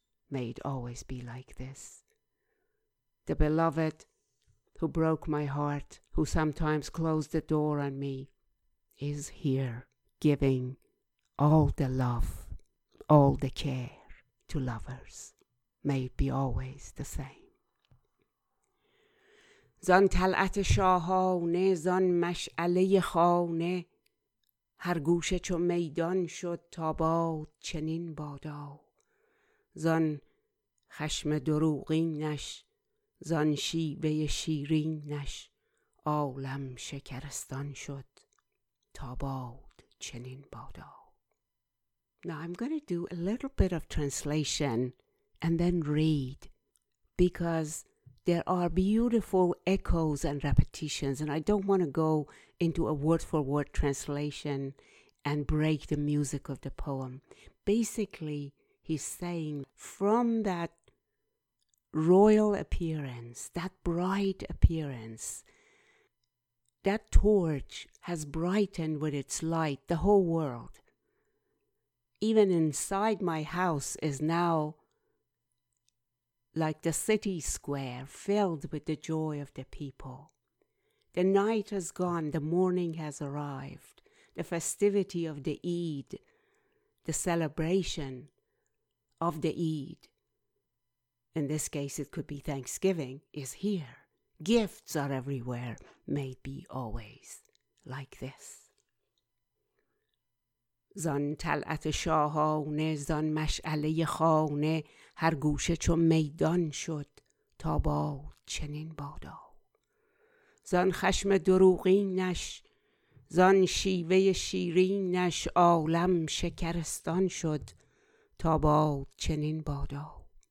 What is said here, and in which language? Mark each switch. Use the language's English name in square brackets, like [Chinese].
[English] May it always be like this. The beloved who broke my heart, who sometimes closed the door on me, is here giving all the love, all the care to lovers. May it be always the same. [Persian] زان طلعت شاهانه زان مشعله خانه هر گوشه چو میدان شد تا باد چنین بادا زان خشم دروغینش زان شیوه شیرینش عالم شکرستان شد تا باد چنین بادا. [English] Now I'm going to do a little bit of translation and then read, because there are beautiful echoes and repetitions, and I don't want to go into a word-for-word translation and break the music of the poem. Basically, he's saying, from that royal appearance, that bright appearance, that torch has brightened with its light the whole world. Even inside my house is now like the city square, filled with the joy of the people. The night has gone, the morning has arrived, the festivity of the Eid, the celebration of the Eid, in this case it could be Thanksgiving, is here. Gifts are everywhere, may be always like this. [Persian] زان طلعت شاهانه زان مشعله خانه هر گوشه چو میدان شد تا باد چنین بادا زان خشم دروغینش زان شیوه شیرینش عالم شکرستان شد تا باد چنین بادا